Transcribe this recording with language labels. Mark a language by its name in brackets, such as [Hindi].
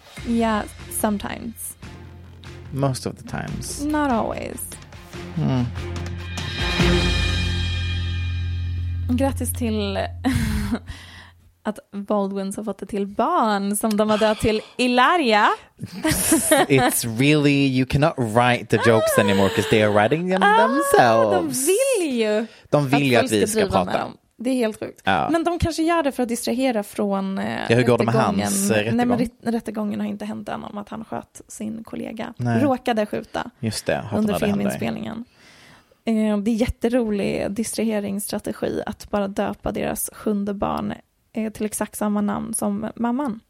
[English] Yeah, sometimes. Most of the times. Not always. [Swedish] Grattis till... att Baldwins har fått det till barn som de har dött till Ilaria. [English] It's really, you cannot write the jokes anymore because they are writing them themselves. [Swedish] De vill ju. De vill ju att vi ska prata. Dem. Det är helt sjukt. Ja. Men de kanske gör det för att distrahera från ja, hur går det med hans rättegång? Nej, men rättegången har inte hänt än om att han sköt sin kollega. Nej. Råkade skjuta. Just det, under filminspelningen. Det är jätterolig distraheringsstrategi att bara döpa deras sjunde barn till exakt samma namn som mamman.